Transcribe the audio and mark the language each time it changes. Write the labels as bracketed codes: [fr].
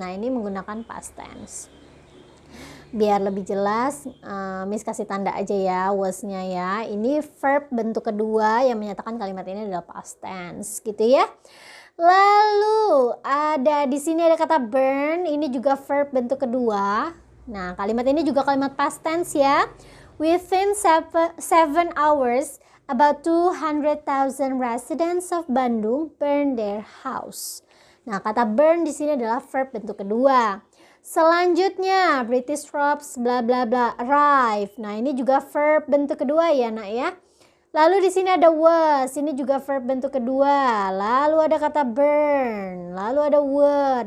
[id] Nah, ini menggunakan past tense. Biar lebih jelas, Miss kasih tanda aja ya was-nya ya. Ini verb bentuk kedua yang menyatakan kalimat ini adalah past tense gitu ya. Lalu ada di sini ada kata burn, ini juga verb bentuk kedua. Nah, kalimat ini juga kalimat past tense ya. [en] Within 7 hours about 200,000 residents of Bandung burned their house. [id] Nah, kata burn di sini adalah verb bentuk kedua. Selanjutnya, [en] British troops bla bla bla arrive. [id] Nah, ini juga verb bentuk kedua ya, Nak ya. Lalu di sini ada was, ini juga verb bentuk kedua. Lalu ada kata burn, lalu ada were.